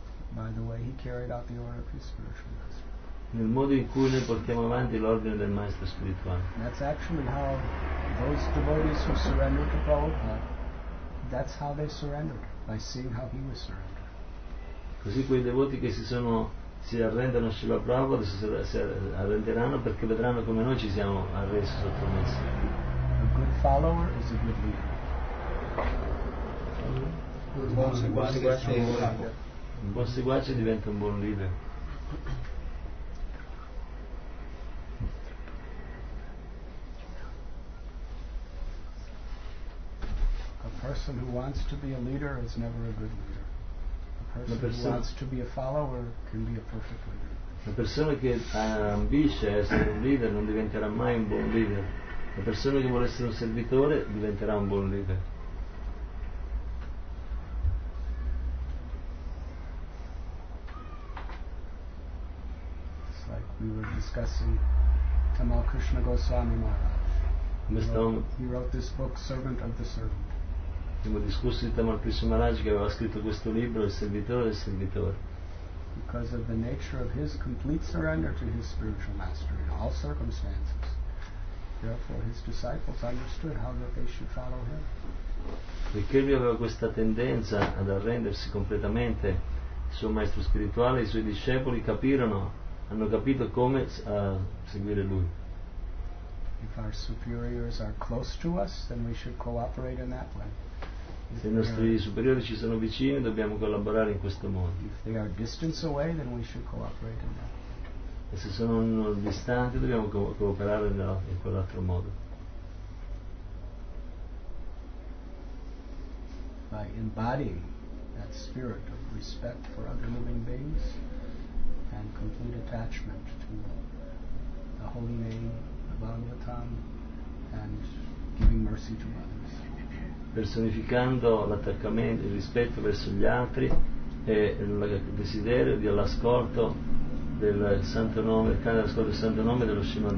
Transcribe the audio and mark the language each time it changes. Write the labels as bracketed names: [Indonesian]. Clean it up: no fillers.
[English] By the way, he carried out the order of his spiritual master. [Italian] Nel modo in cui noi portiamo avanti l'ordine del maestro spirituale. [English] That's actually how those devotees who surrendered to Prabhupada, that's how they surrendered, by seeing how he was surrendered. [Italian] Così quei devoti che si arrendono a Srila Prabhupada si arrenderanno perché vedranno come noi ci siamo arresi sottomessi. [English] A good follower is a good leader. [Italian] Un buon seguace diventa un buon leader. [English] A person who wants to be a leader is never a good leader. A person who wants to be a follower can be a perfect leader. [Italian] La persona che ambisce a essere un leader non diventerà mai un buon leader. La persona che vuole essere un servitore diventerà un buon leader. [English] It's like we were discussing Tamal Krishna Goswami Maharaj. He wrote this book, Servant of the Servant. [Italian] Abbiamo discusso di Tamal Krishna Maharaj che aveva scritto questo libro, Il servitore del servitore. [English] Because of the nature of his complete surrender to his spiritual master in all circumstances, therefore his disciples understood how that they should follow him. [Italian] Perché lui aveva questa tendenza ad arrendersi completamente al suo maestro spirituale, i suoi discepoli hanno capito come seguire lui. [English] If our superiors are close to us, then we should cooperate in that way. [Italian] Se i nostri superiori ci sono vicini, dobbiamo collaborare in questo modo. [English] If they are distance away, then we should cooperate in that. [Italian] E se sono distanti, dobbiamo cooperare in quell'altro modo. [English] By embodying that spirit of respect for other living beings and complete attachment to the holy name, the Bhagavatam, and giving mercy to others. [Italian] Personificando l'attaccamento, il rispetto verso gli altri e il desiderio di all'ascolto del santo nome, dello Srimad